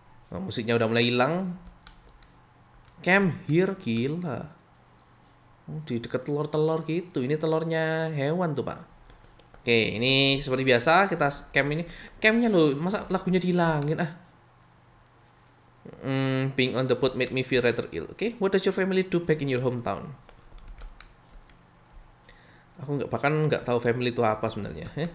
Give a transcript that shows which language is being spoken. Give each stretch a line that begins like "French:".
Indonesian: Nah, musiknya udah mulai hilang.
English: Camp here,
Indonesian: gila. Di deket telur-telur gitu. Ini telurnya hewan tuh, Pak. Oke, ini seperti biasa kita camp ini. Campnya loh, masa lagunya dihilangin? Ah.
English: Being on the boat made me feel rather ill. Oke, what does your family do back in your hometown?
Indonesian: Aku bahkan nggak tahu family itu apa sebenarnya.